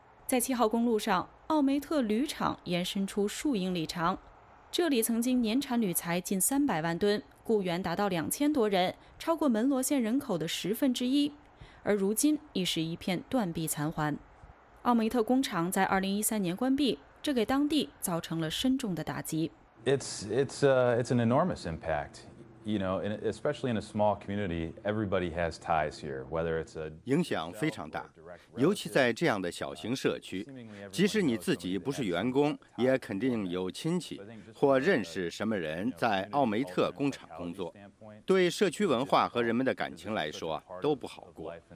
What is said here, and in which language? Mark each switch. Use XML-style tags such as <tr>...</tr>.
<zh>在7号公路上，奥梅特铝厂延伸出数英里长，这里曾经年产铝材近300万吨，雇员达到2000多人，超过门罗县人口的1/10。而如今已是一片断壁残垣。奥梅特工厂在2013年关闭，这给当地造成了深重的打击。</zh> <en>It's an enormous impact, you know, especially in a small community. Everybody has ties here, whether it's a</en> <zh>影响非常大，尤其在这样的小型社区，即使你自己不是员工，也肯定有亲戚或认识什么人在奥梅特工厂工作。对社区文化和人们的感情来说都不好过。</zh>